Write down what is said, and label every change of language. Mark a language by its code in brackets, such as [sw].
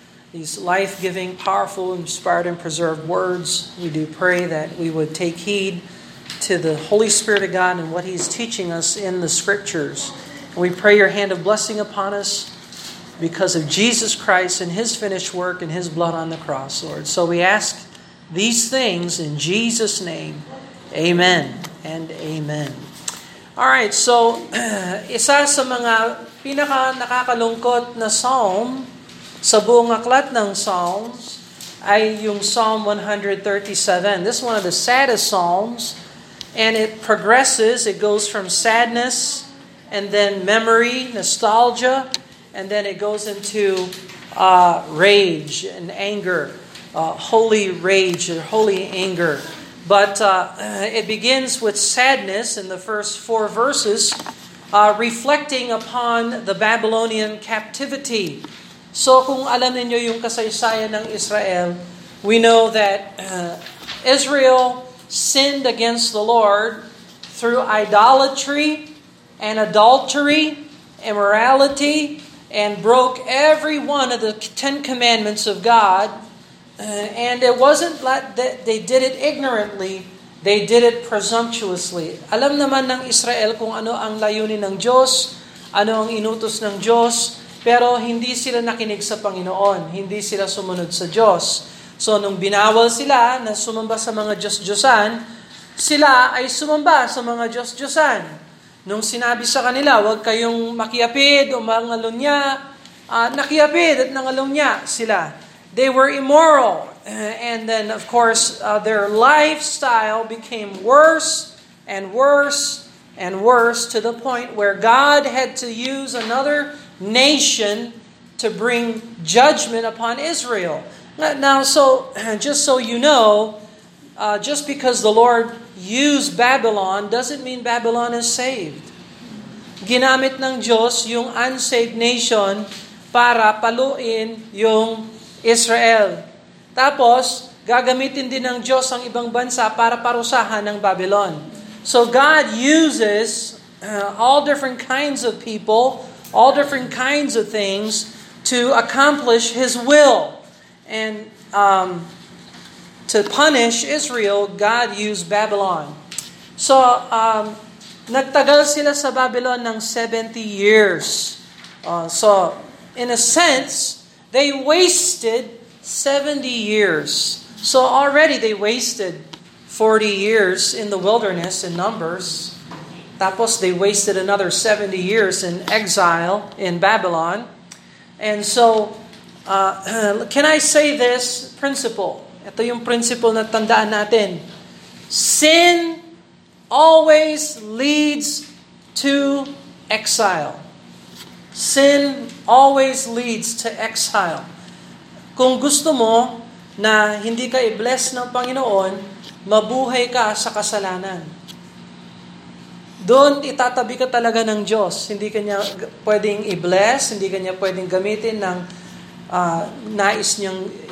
[en] These life-giving, powerful, inspired, and preserved words, we do pray that we would take heed to the Holy Spirit of God and what He's teaching us in the Scriptures. And we pray your hand of blessing upon us because of Jesus Christ and His finished work and His blood on the cross, Lord. So we ask these things in Jesus' name. Amen and amen. [tl] All right, so isa sa mga pinaka nakakalungkot na psalm sa buong aklat ng Psalms ay yung Psalm 137. [en] This is one of the saddest Psalms. And it progresses. It goes from sadness and then memory, nostalgia, and then it goes into rage and anger, holy rage or holy anger. But it begins with sadness in the first four verses, reflecting upon the Babylonian captivity. So [tl] kung alam ninyo yung kasaysayan ng Israel, [en] we know that Israel sinned against the Lord through idolatry and adultery, immorality, and broke every one of the Ten Commandments of God. And it wasn't that they did it ignorantly, they did it presumptuously. [tl] Alam naman ng Israel kung ano ang layunin ng Diyos, ano ang inutos ng Diyos, pero hindi sila nakinig sa Panginoon, hindi sila sumunod sa Diyos. So nung binawal sila na sumamba sa mga Diyos-Diyosan, sila ay sumamba sa mga Diyos-Diyosan. Nung sinabi sa kanila, huwag kayong makiapid o mangalunya, nakiapid at nangalunya sila. [en] They were immoral. And then of course, their lifestyle became worse and worse and worse to the point where God had to use another nation to bring judgment upon Israel. Now, so just so you know, just because the Lord used Babylon doesn't mean Babylon is saved. [tl] Ginamit ng Diyos yung unsaved nation para paluin yung Israel. Tapos, gagamitin din ng Diyos ang ibang bansa para parusahan ng Babylon. [en] So God uses all different kinds of people, all different kinds of things to accomplish His will. And to punish Israel, God used Babylon. [tl] So, nagtagal sila sa Babylon ng 70 years. [en] So, in a sense, they wasted 70 years. So, already they wasted 40 years in the wilderness in Numbers. Tapos, they wasted another 70 years in exile in Babylon. And so, can I say this principle? [tl] Ito yung principle na tandaan natin. [en] Sin always leads to exile. Sin always leads to exile. [tl] Kung gusto mo na hindi ka i-bless ng Panginoon, mabuhay ka sa kasalanan. Doon itatabi ka talaga ng Diyos. Hindi kanya pwedeng i-bless, hindi kanya pwedeng gamitin ng nais niyang